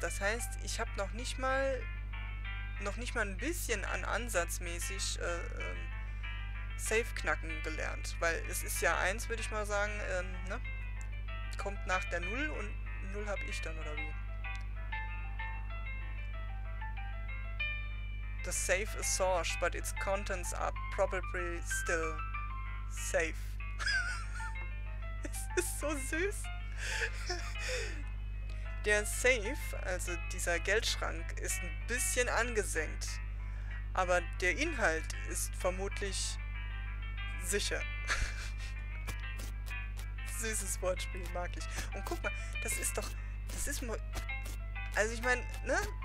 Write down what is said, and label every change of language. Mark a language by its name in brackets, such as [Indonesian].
[German] Das heißt, ich habe noch nicht mal ein bisschen an ansatzmäßig safe knacken gelernt. Weil es ist ja 1, würde ich mal sagen, ne? Kommt nach der 0 und 0 habe ich dann, oder wie? [English] The safe is sorge, but its contents are probably still safe. [German] Es ist so süß. Der Safe, also dieser Geldschrank, ist ein bisschen angesenkt. Aber der Inhalt ist vermutlich sicher. Süßes Wortspiel, mag ich. Und guck mal, das ist mal. Also ich meine, ne?